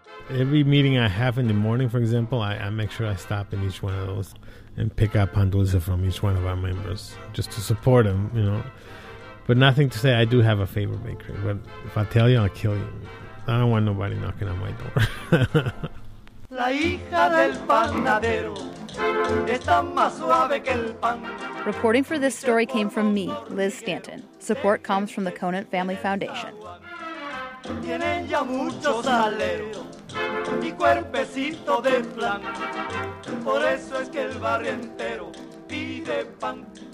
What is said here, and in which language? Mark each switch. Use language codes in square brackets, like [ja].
[en] Every meeting I have in the morning, for example, I make sure I stop in each one of those and pick up pan dulce from each one of our members just to support them, you know. But nothing to say, I do have a favorite bakery. But if I tell you, I'll kill you. I don't want nobody knocking on my door. [es] La hija del panadero está más suave que el pan. [en] Reporting for this story came from me, Liz Stanton. Support comes from the Conant Family Foundation. [es] Tienen ya mucho salero y cuerpecito de flan. Por eso es que el barrio entero pide pan.